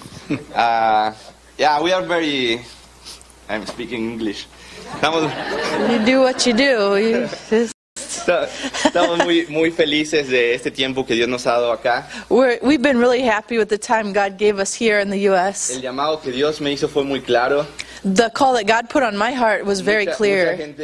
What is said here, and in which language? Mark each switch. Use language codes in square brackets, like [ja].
[en] Yeah, we are very... I'm speaking English. You do what you do. We've been really happy with the time God gave us here in the U.S. [es] El llamado que Dios me hizo fue muy claro. [en] The call that God put on my heart was very clear.